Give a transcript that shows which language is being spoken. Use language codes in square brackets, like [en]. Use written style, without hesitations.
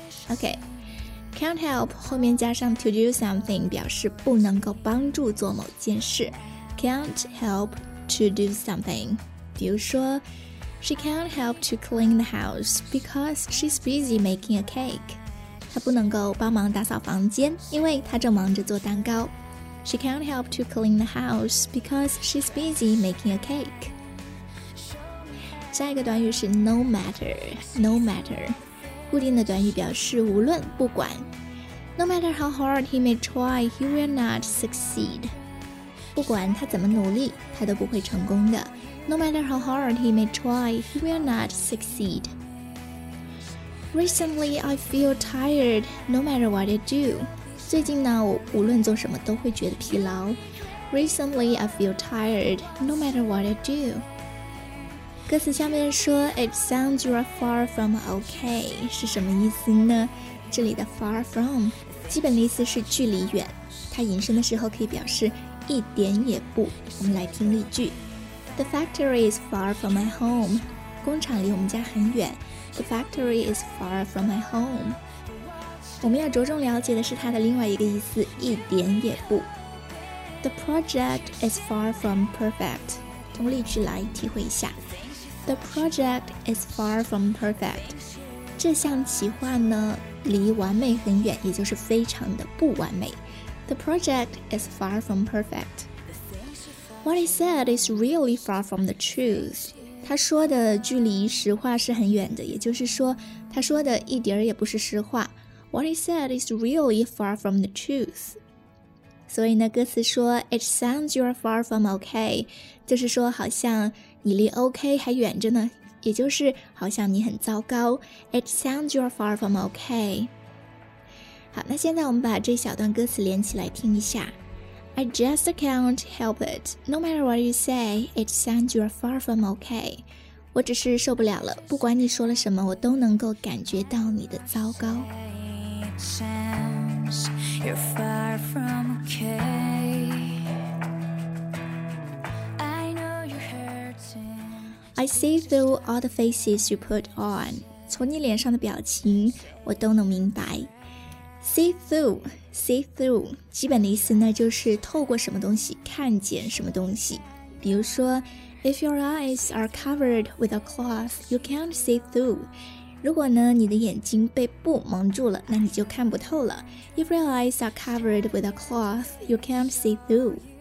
[en] Okay, can't help [zh] 后面加上 [en] to do something [zh] 表示不能够帮助做某件事。 [en] Can't help to do something. [zh] 比如说 [en] She can't help to clean the house because she's busy making a cake. [zh] 她不能够帮忙打扫房间，因为她正忙着做蛋糕。 [en] She can't help to clean the house because she's busy making a cake. [zh] 下一个短语是 [en] no matter. No matter. [zh] 固定的短语表示无论不管。 [en] No matter how hard he may try, he will not succeed. [zh] 不管他怎么努力，他都不会成功的。 [en] No matter how hard he may try, he will not succeed. Recently, I feel tired, no matter what I do. [zh] 最近呢，我无论做什么都会觉得疲劳。 [en] Recently, I feel tired, no matter what I do. [zh] 歌词下面说 [en] It sounds you are far from okay [zh] 是什么意思呢？这里的 far from 基本的意思是距离远，它引申的时候可以表示一点也不。我们来听例句。 [en] The factory is far from my home. [zh] 工厂离我们家很远。 [en] The factory is far from my home. [zh] 我们要着重了解的是它的另外一个意思，一点也不。 [en] The project is far from perfect. [zh] 从例句来体会一下。 [en] The project is far from perfect. [zh] 这项企划呢，离完美很远，也就是非常的不完美。 [en] The project is far from perfect. What he said is really far from the truth. [zh] 他说的距离实话是很远的，也就是说，他说的一点也不是实话。 [en] What he said is really far from the truth. [zh] 所以呢，歌词说 [en] It sounds you're far from okay. [zh] 就是说好像你离 OK 还远着呢，也就是好像你很糟糕。 [en] It sounds you're far from okay. [zh] 好，那现在我们把这小段歌词连起来听一下。 [en] I just can't help it. No matter what you say, it sounds you're far from okay. [zh] 我只是受不了了，不管你说了什么，我都能够感觉到你的糟糕。 [en] It sounds you're far from okay. I know you're hurting. I see through all the faces you put on. [zh] 从你脸上的表情，我都能明白。 [en] See through [zh] 基本的意思呢就是透过什么东西看见什么东西，比如说 [en] If your eyes are covered with a cloth, you can't see through. [zh] 如果呢你的眼睛被布蒙住了，那你就看不透了。 [en] If your eyes are covered with a cloth, you can't see through.